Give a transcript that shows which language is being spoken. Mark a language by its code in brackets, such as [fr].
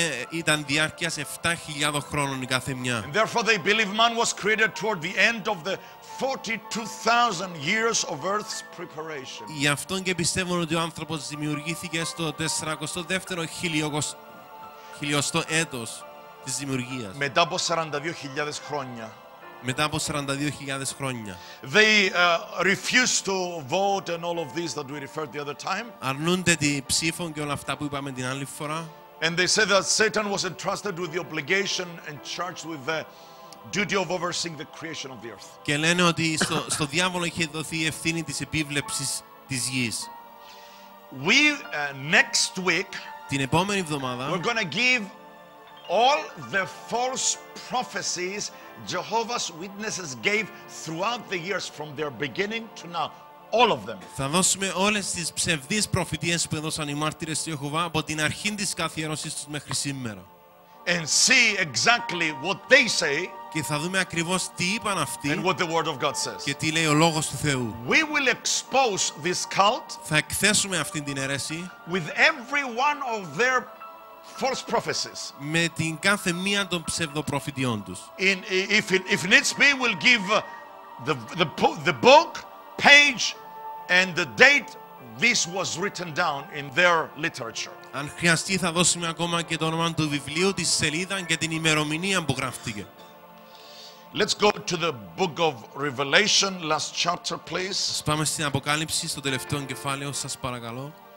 [el] Ήταν διάρκειας 7,000 χρόνων η κάθε μία. [en] Therefore they believe man was created toward the end of the 42,000 years of Earth's preparation. [el] Γι' αυτό και πιστεύουν ότι ο άνθρωπος δημιουργήθηκε στο 42ο χιλιοστό έτος της δημιουργίας. Μετά από 42,000 χρόνια. Μετά από 42,000 χρόνια. [en] They refuse to vote and all of these that we referred the other time. [el] Αρνούνται την ψήφων και όλα αυτά που είπαμε την άλλη φορά. [en] And they said that Satan was entrusted with the obligation and charged with the duty of overseeing the creation of the earth. [el] Και λένε ότι στο διάβολο είχε δοθεί η ευθύνη της επίβλεψης της γης. [en] We next week. [el] Την επόμενη εβδομάδα. [en] We're going to give all the false prophecies Jehovah's Witnesses gave throughout the years from their beginning to now. All of them. [el] Θα δώσουμε όλες τις ψευδείς προφητείες που έδωσαν οι μάρτυρες του Ιεχωβά από την αρχή της καθιέρωσής τους μέχρι σήμερα. [en] And see exactly what they say. [el] Και θα δούμε ακριβώς τι είπαν αυτοί. [en] And what the word of God says. [el] Και τι λέει ο λόγος του Θεού. [en] We will expose this cult. [el] Θα εκθέσουμε αυτήν την αίρεση. [en] With every one of their false prophecies. [el] Με την κάθε μία των ψευδοπροφητιών τους. [en] If needs be, we'll give the book, page, and the date this was written down in their literature. [el] Αν χρειαστεί, θα δώσουμε ακόμα και το όνομα του βιβλίου, τη σελίδα και την ημερομηνία που γράφτηκε. [en] Let's go to the book of Revelation, last chapter, please. [el] Ας πάμε στην Αποκάλυψη, στο τελευταίο κεφάλαιο, σας παρακαλώ.